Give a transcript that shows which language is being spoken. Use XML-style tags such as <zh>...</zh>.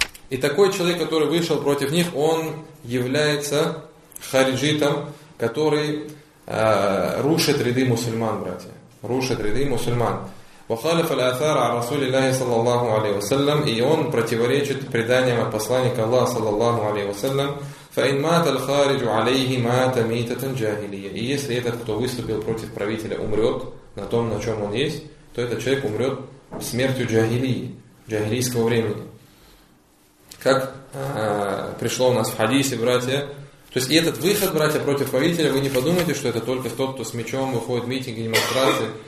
<ru>И такой человек, который вышел против них, он является хариджитом, который рушит ряды мусульман, братья. Рушит ряды мусульман.</ru> <ar>وَخَالَفَ الْأَثَارَ عَلَى رَسُولِ اللَّهِ صَلَّى اللَّهُ عَلَيْهِ وَسَلَّمَ.</ar> <ru>И он противоречит преданиям от посланника Аллаха, саллаллаху алейхи ва саллям.</ru> <ar>فإن مات الخارج عليه مات ميتة جاهلية.</ar> <ru>И если этот, кто выступил против правителя, умрет на том, на чем он есть, то этот человек умрет смертью джахилии, джахилийского времени. Как пришло у нас в хадисе, братья. То есть и этот выход, братья, против правителя, вы не подумайте, что это только тот, кто с мечом выходит в митинги, демонстрации.</ru>